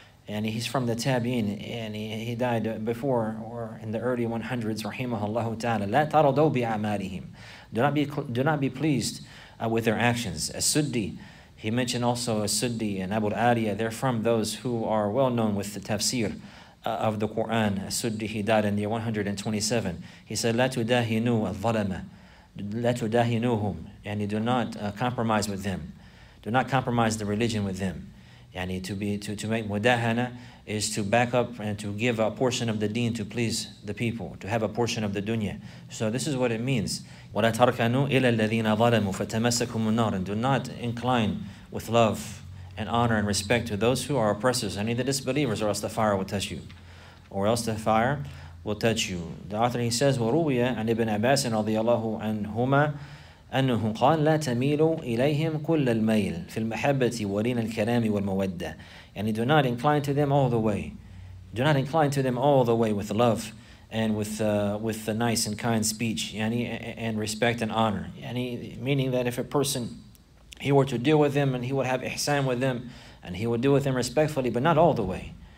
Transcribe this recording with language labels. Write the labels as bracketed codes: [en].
[en] And he's from the Tabi'in, and he died before or in the early 100s, rahimahullahu ta'ala. [ar] لَا تَرَضَوْ بِعَمَالِهِمْ. [en] Do not be pleased with their actions. As-Suddi, he mentioned also As-Suddi and Abu al-Aliyah. They're from those who are well known with the tafsir of the Quran. As-Suddi, he died in the year 127. He said, [ar] لَا تُدَاهِنُوا الظَّلَمَ. لَا تُدَاهِنُوهُمْ. [en] And do not compromise with them. Do not compromise the religion with them. Yani to make mudahana is to back up and to give a portion of the deen to please the people, to have a portion of the dunya. So this is what it means. [ar] وَلَا تَرْكَنُوا إِلَّا الَّذِينَ ظَلَمُوا فَتَمَسَّكُمُ النَّارِ. [en] And do not incline with love and honor and respect to those who are oppressors, any of the disbelievers, or else the fire will touch you. Or else the fire will touch you. The author, he says, [ar] وَرُوِيَ عَنْ إِبْنِ عَبَّاسٍ رَضِيَ اللَّهُ عَنْهُمَا أنه قال لا تميلوا إليهم كل الميل في المحبة ولين الكلام والمودة. [en] يعني do not incline to them all the way. Do not incline to them all the way with love and with the nice and kind speech. يعني and respect and honor. يعني meaning that if a person, he were to deal with them and he would have ihsan with them and he would deal with them respectfully, but not all the way.